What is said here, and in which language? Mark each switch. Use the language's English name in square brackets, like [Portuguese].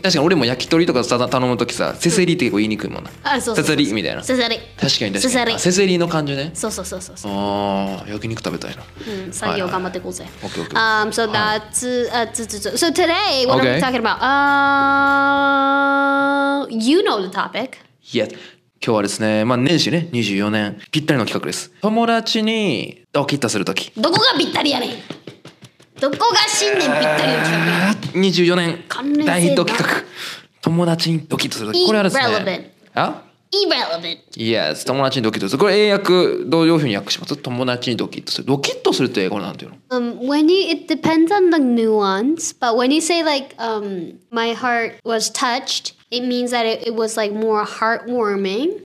[Japanese] 確かに俺も焼き鳥とか頼むときさ、せせりって結構言いにくいもんな。あ、そうそう。せせりみたいな。せせり。確かに確かに。せせりの感じね。そうそうそうそう。ああ、焼肉食べたいな。作業頑張っていこうぜ。 OKOK。 [English] So that's, so today, what are we talking about? You know the topic. Yes. [Japanese] 今日はですね、まあ年始ね、24年、ぴったりの企画です。友達にドキッとするとき。どこがぴったりやねん。どこが新年ぴったりの企画。 24年、大ヒット企画。友達にドキッとするとき。これはですね。 [English] Irrelevant. あ Irrelevant. [Japanese] Yes, 友達にドキッとする。これ英訳、どういうふうに訳します？友達にドキッとする。ドキッとするって英語なんていうの？ [English] When you, it depends on the nuance, but when you say like, my heart was touched,It means that it was like more heartwarming.